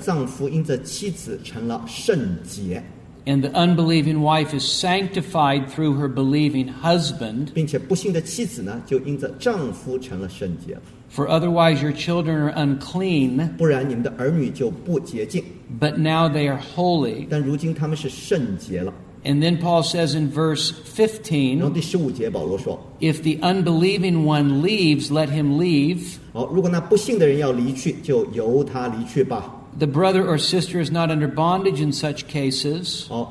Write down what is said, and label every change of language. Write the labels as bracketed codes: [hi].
[zh] 保罗说到，这个不幸的丈夫因着妻子成了圣洁。 [en] And the unbelieving wife is sanctified through her believing husband. [zh] 并且不幸的妻子呢，就因着丈夫成了圣洁。 [en] For otherwise your children are unclean. [zh] 不然你们的儿女就不洁净。 [en] But now they are holy. [zh] 但如今他们是圣洁了。 [en] And then Paul says in verse 15. [zh] 然后第15节保罗说, [en] if the unbelieving one leaves, let him leave. [zh] 如果那不幸的人要离去，就由他离去吧。 [en] The brother or sister is not under bondage in such cases.